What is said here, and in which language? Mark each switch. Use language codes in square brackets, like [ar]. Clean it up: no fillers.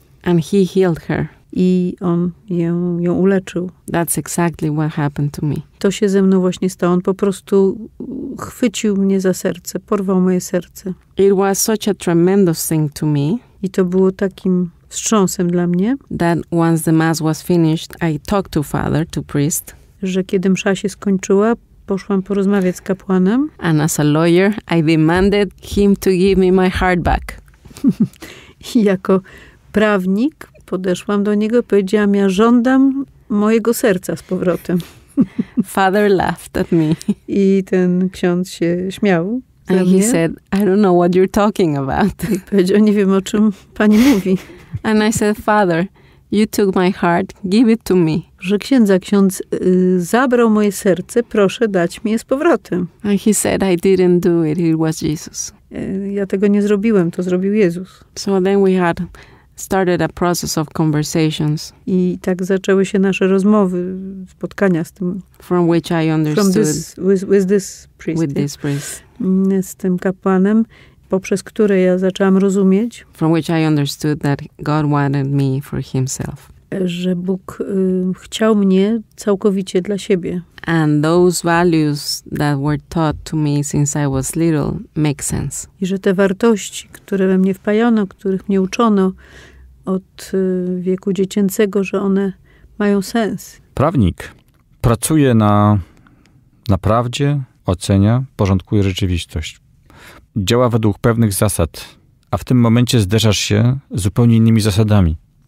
[en] And he healed her. [pl] I on ją uleczył. [en] That's exactly what happened to me. [pl] To się ze mną właśnie stało. On po prostu chwycił mnie za serce, porwał moje serce. [en] It was such a tremendous thing to me. [pl] I to było takim wstrząsem dla mnie. [en] That once the mass was finished, I talked to father, to priest. [pl] Że kiedy msza się skończyła, poszłam porozmawiać z kapłanem. [en] And as a lawyer, I demanded him to give me my heart back. [pl] I jako prawnik podeszłam do niego i powiedziałam, ja żądam mojego serca z powrotem. [en] Father laughed at me. [pl] I ten ksiądz się śmiał. [en] And he said, I don't know what you're talking about. [pl] I powiedział, nie wiem, o czym pani mówi. [en] And I said, Father, you took my heart, give it to me. [pl] Że ksiądz zabrał moje serce, proszę dać mi je z powrotem. [en] And he said, I didn't do it, it was Jesus. [pl] Ja tego nie zrobiłem, to zrobił Jezus. [en] So then we had started a process of conversations. [pl] I tak zaczęły się nasze rozmowy, spotkania z tym. [en] From which I understood. With this priest. [pl] Z tym kapłanem, poprzez które ja zaczęłam rozumieć. [en] From which I understood that God wanted me for himself. [pl] Że Bóg chciał mnie całkowicie dla siebie. [en] And those values that were taught to me since I was little make sense. [pl] I że te wartości, które we mnie wpajano, których mnie uczono od wieku dziecięcego, że one mają sens. Prawnik pracuje na prawdzie, ocenia, porządkuje rzeczywistość. Działa według pewnych zasad, a w tym momencie zderzasz się z zupełnie innymi zasadami.